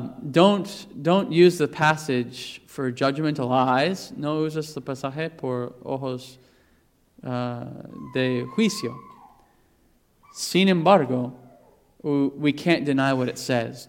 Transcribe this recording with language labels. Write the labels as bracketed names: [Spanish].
[English] Don't use the passage for judgmental eyes. [Spanish] No uses the pasaje por ojos de juicio. Sin embargo, [English] we can't deny what it says.